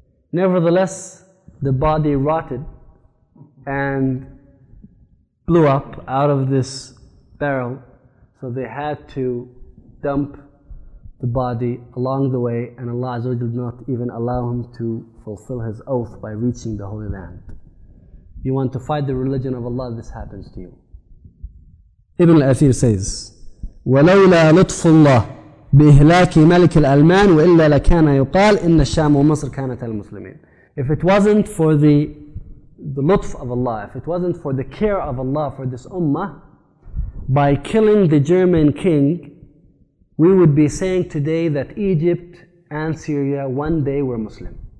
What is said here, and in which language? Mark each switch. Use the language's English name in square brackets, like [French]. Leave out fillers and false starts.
[English] Nevertheless, the body rotted and blew up out of this barrel, so they had to dump the body along the way, and Allah Azza wa Jalla did not even allow him to fulfill his oath by reaching the Holy Land. You want to fight the religion of Allah, this happens to you. Ibn al-Athir says, [Arabic] وَلَوْلَا لُطْفُ اللَّهِ بِإِهْلَاكِ مَلِكِ الْأَلْمَانِ وَإِلَّا لَكَانَ يُقَالِ إِنَّ الشَّامُ وَمَصْرِ كَانَتَ الْمُسْلِمِينَ. [English] If it wasn't for the lutf of Allah, if it wasn't for the care of Allah for this ummah, by killing the German king, we would be saying today that Egypt and Syria one day were Muslim.